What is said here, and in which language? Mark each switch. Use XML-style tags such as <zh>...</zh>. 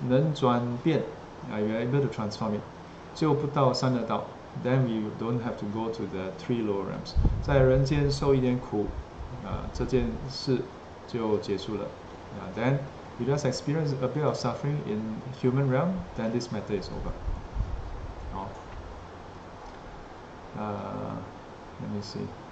<zh>能转变，</zh> <en>you are able to transform it.</en> <zh>就不到三恶道，</zh> <en>then we don't have to go to the three lower realms.</en> <zh>在人间受一点苦，这件事。就结束了，</zh> <en>Then you just experience a bit of suffering in human realm, then this matter is over. Let me see.</en>